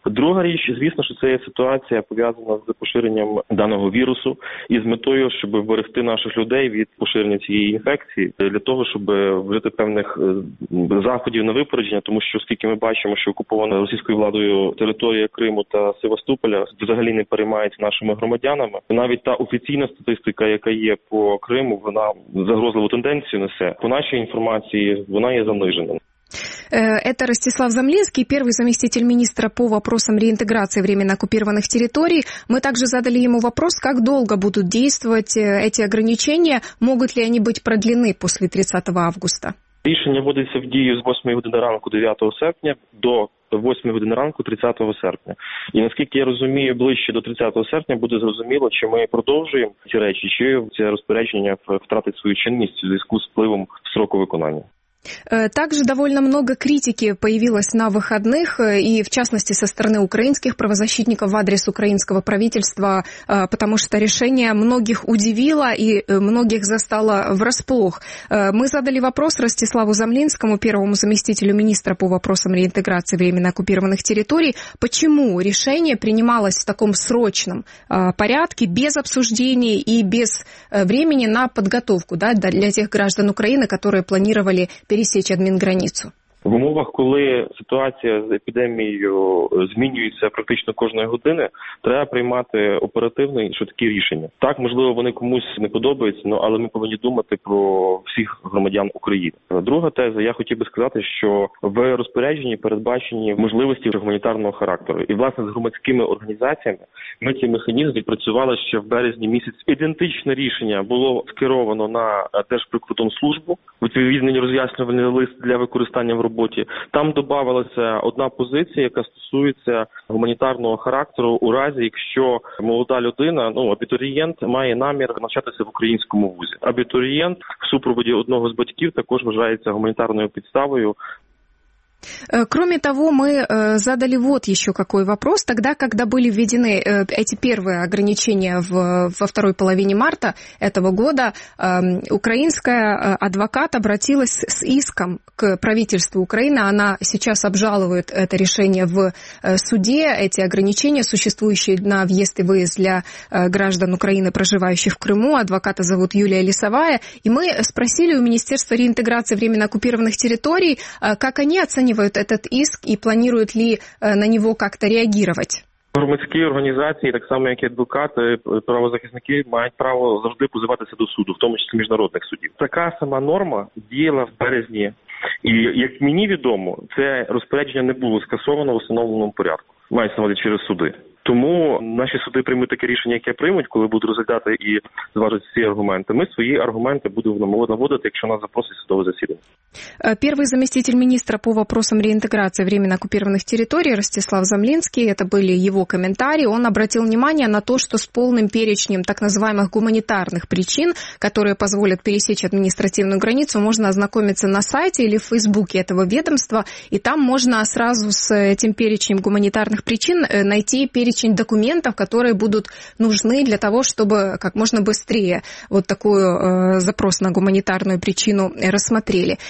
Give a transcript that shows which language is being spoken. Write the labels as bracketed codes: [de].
[uk] Друга річ, звісно, що це є ситуація пов'язана з поширенням даного вірусу і з метою, щоб вберегти наших людей від поширення цієї інфекції, для того, щоб вжити певних заходів на випередження, тому що, оскільки ми бачимо, що окупована російською владою територія Криму та Севастополя взагалі не переймається нашими громадянами. Навіть та офіційна статистика, яка є по Криму, вона загрозливу тенденцію несе. По нашій інформації, вона є занижена. [ru] Это Ростислав Замлинский, первый заместитель министра по вопросам реинтеграции временно оккупированных территорий. Мы также задали ему вопрос, как долго будут действовать эти ограничения, могут ли они быть продлены после 30 августа. [uk] Рішення вводиться в дію з 8 години ранку 9 серпня до 8 години ранку 30 серпня. І наскільки я розумію, ближче до 30 серпня буде зрозуміло, чи ми продовжуємо ці речі, чи це розпорядження втратить свою чинність у зв'язку з впливом строку виконання. [ru] Также довольно много критики появилось на выходных, и в частности со стороны украинских правозащитников в адрес украинского правительства, потому что решение многих удивило и многих застало врасплох. Мы задали вопрос Ростиславу Замлинскому, первому заместителю министра по вопросам реинтеграции временно оккупированных территорий, почему решение принималось в таком срочном порядке, без обсуждений и без времени на подготовку, да, для тех граждан Украины, которые планировали пересечь адмінграницу. [uk] В умовах, коли ситуація з епідемією змінюється практично кожної години, треба приймати оперативне і швидкі рішення. Так, можливо, вони комусь не подобаються, але ми повинні думати про всіх громадян України. Друга теза, я хотів би сказати, що в розпорядженні передбачені можливості гуманітарного характеру. І, власне, з громадськими організаціями ми цей механізм відпрацювали ще в березні місяць. Ідентичне рішення було скеровано на Держприкордонслужбу, відповідний роз'яснювальний лист для використання в роботі. Там додавалася одна позиція, яка стосується гуманітарного характеру у разі, якщо молода людина, абітурієнт, має намір навчатися в українському вузі. Абітурієнт в супроводі одного з батьків також вважається гуманітарною підставою. [ru] Кроме того, мы задали вот еще какой вопрос. Тогда, когда были введены эти первые ограничения во второй половине марта этого года, украинская адвокат обратилась с иском к правительству Украины. Она сейчас обжалует это решение в суде, эти ограничения, существующие на въезд и выезд для граждан Украины, проживающих в Крыму. Адвоката зовут Юлия Лисовая. И мы спросили у Министерства реинтеграции временно оккупированных территорий, как они оценивают этот иск и планируют ли на него как-то реагировать. [uk] Громадські організації, так само як і адвокати, правозахисники, мають право завжди позиватися до суду, в тому числі міжнародних судів. Така сама норма діяла в березні. І, як мені відомо, це розпорядження не було скасовано в установленому порядку, мається на увазі через суди. Тому наші суди приймуть таке рішення, яке приймуть, коли будуть розглядати і зважити ці аргументи. Ми свої аргументи будемо наводити, якщо нас запросить судове засідання. [ru] Первый заместитель министра по вопросам реинтеграции временно оккупированных территорий Ростислав Замлинский, это были его комментарии, он обратил внимание на то, что с полным перечнем так называемых гуманитарных причин, которые позволят пересечь административную границу, можно ознакомиться на сайте или в Фейсбуке этого ведомства, и там можно сразу с этим перечнем гуманитарных причин найти перечень документов, которые будут нужны для того, чтобы как можно быстрее вот такой запрос на гуманитарную причину рассмотрели.